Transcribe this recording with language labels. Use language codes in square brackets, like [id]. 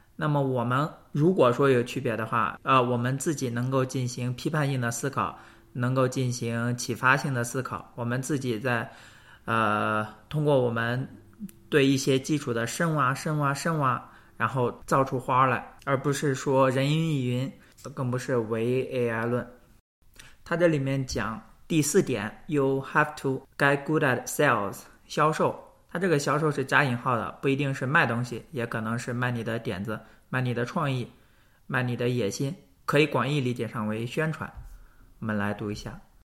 [zh] 那么我们如果说有区别的话，我们自己能够进行批判性的思考，能够进行启发性的思考，我们自己在，通过我们。对一些基础的深挖、深挖、深挖，然后造出花来，而不是说人云亦云，更不是唯 AI 论。 [en] 他这里面讲第四点，You have to get good at sales，销售。 [zh] 他这个销售是加引号的，不一定是卖东西，也可能是卖你的点子、卖你的创意、卖你的野心，可以广义理解上为宣传。我们来读一下。